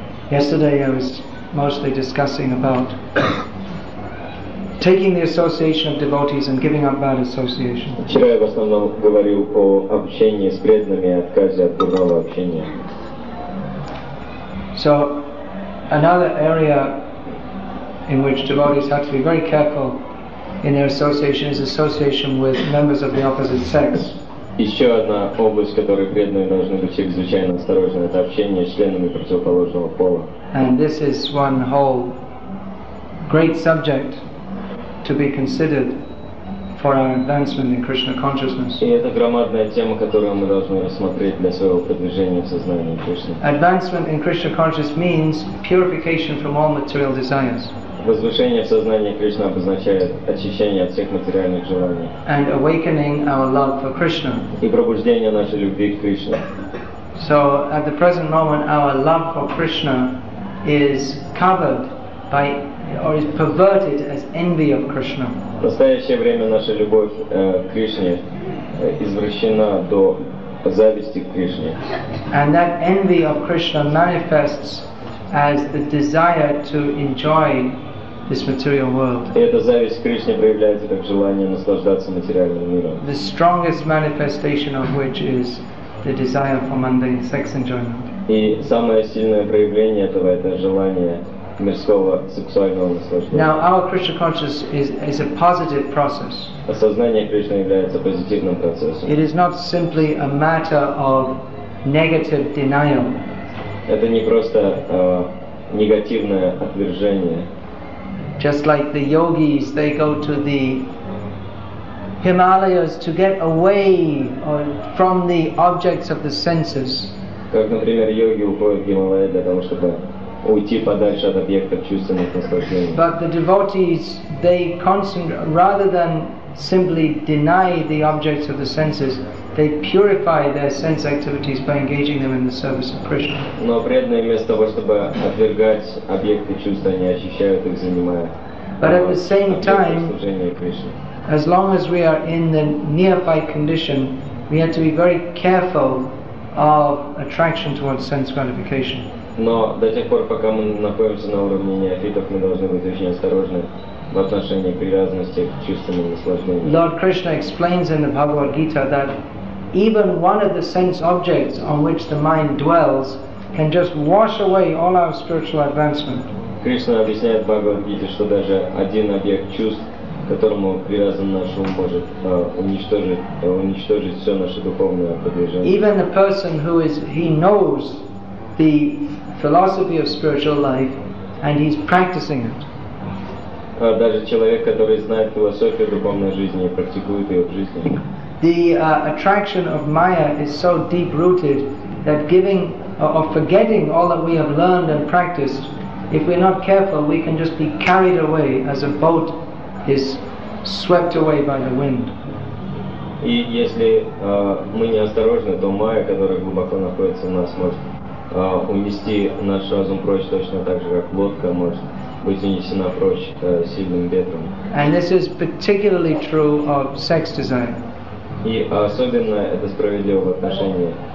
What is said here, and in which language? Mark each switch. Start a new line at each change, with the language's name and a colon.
English: Yesterday I was mostly discussing about taking the association of devotees and giving up bad association.
Russian: Вчера я в основном говорил о общении с преданными и отказе от дурного общения.
English: So another area in which devotees have to be very careful in their association is association with members of the opposite sex.
Russian: Еще одна область, в которой преданные должны быть чрезвычайно осторожны, это общение с членами противоположного пола.
English: And this is one whole great subject to be considered for our advancement in Krishna consciousness.
Russian: И это громадная тема, которую мы должны рассмотреть для своего продвижения в сознании Кришны.
English: Advancement in Krishna consciousness means purification from all material desires.
Russian: Возвышение в сознании Кришны обозначает очищение от всех материальных желаний.
English: And awakening our love for Krishna.
Russian: И пробуждение нашей любви к Кришне.
English: So at the present moment our love for Krishna is covered by or is perverted as envy of Krishna.
Russian: В настоящее время наша любовь к Кришне извращена до зависти к Кришне.
English: And that envy of Krishna manifests as the desire to enjoy this material world.
Russian: И эта зависть к Кришне проявляется как желание наслаждаться материальным миром.
English: The strongest manifestation of which is the desire for mundane sex enjoyment.
Russian: И самое сильное проявление этого это желание мирского сексуального наслаждения.
English: Now our Krishna consciousness is a positive process.
Russian: Осознание Кришны является позитивным процессом.
English: It is not simply a matter of negative denial.
Russian: Это не просто негативное отвержение.
English: Just like the yogis, they go to the Himalayas to get away from the objects of the senses.
Russian: Как, например, йоги уходят в Гималаи для того, чтобы уйти подальше от объектов чувственных наслаждений.
English: But the devotees, they concentrate rather than simply deny the objects of the senses. They purify their sense activities by engaging them in the service of Krishna.
Russian: Но преданные вместо того, чтобы отвергать объекты чувства, они очищают их, занимая объекты служения.
English: But at the same time, as long as we are in the neophyte condition, we have to be very careful of attraction towards sense gratification.
Russian: Но до тех пор, пока мы находимся на уровне неофитов, мы должны быть очень осторожны в отношении привязанности к чувственным наслаждениям.
English: Lord Krishna explains in the Bhagavad Gita that even one of the sense objects on which the mind dwells can just wash away all our spiritual advancement.
Russian: Krishna объясняет в Bhagavad Gita, что даже один объект чувств, к которому привязан наш ум, может уничтожить все наше духовное продвижение.
English: Even the person who is, he knows the philosophy of spiritual life and he's practicing it.
Russian: Даже человек, который знает философию духовной жизни и практикует ее в жизни.
English: The attraction of Maya is so deep rooted that giving or forgetting all that we have learned and practiced, if we're not careful, we can just be carried away as a boat is swept away by the wind.
Russian: И если мы неосторожны, то Maya, которая глубоко находится в нас, может унести наш разум прочь точно так же, как лодка может быть унесена прочь сильным ветром.
English: And this is particularly true of sex desire.
Russian: И особенно это справедливо в отношении